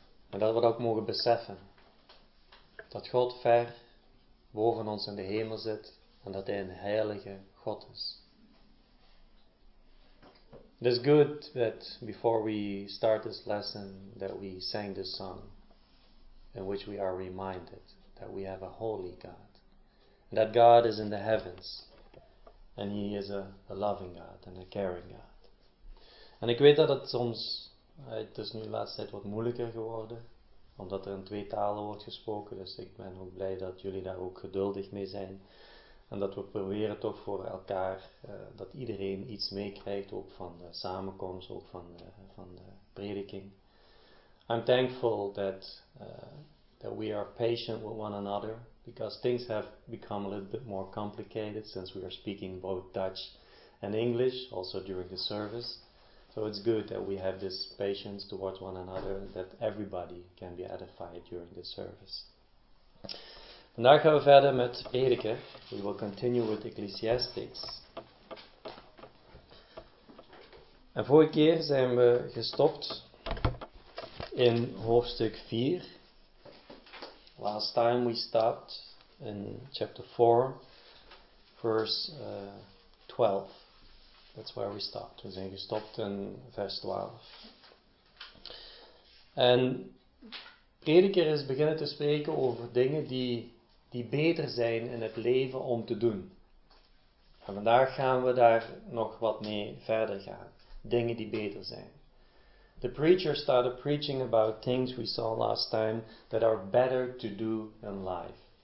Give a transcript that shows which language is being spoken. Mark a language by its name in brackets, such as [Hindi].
[Dutch] En dat we dat ook mogen beseffen. Dat God ver boven ons in de hemel zit en dat Hij een heilige God is. [English] It is good that before we start this lesson that we sang this song. In which we are reminded that we have a holy God. And that God is in the heavens. And He is a loving God and a caring God. [Dutch] En ik weet dat het soms, het is nu de laatste tijd wat moeilijker geworden. Omdat er in twee talen wordt gesproken. Dus ik ben ook blij dat jullie daar ook geduldig mee zijn. En dat we proberen toch voor elkaar, dat iedereen iets meekrijgt. Ook van de samenkomst, ook van de prediking. [English] I'm thankful that that we are patient with one another because things have become a little bit more complicated since we are speaking both Dutch and English also during the service. So it's good that we have this patience towards one another and that everybody can be edified during the service. [Dutch] Vandaag gaan we verder met prediken. [English] We will continue with Ecclesiastes. [Dutch] En vorige keer zijn we gestopt in hoofdstuk 4. [English] Last time we stopped in chapter 4, verse 12. That's where we stopped. [Dutch] We zijn gestopt in vers 12. En prediker is beginnen te spreken over dingen die beter zijn in het leven om te doen. En vandaag gaan we daar nog wat mee verder gaan. Dingen die beter zijn. [English] The preacher started preaching about things we saw last time that are better to do in life.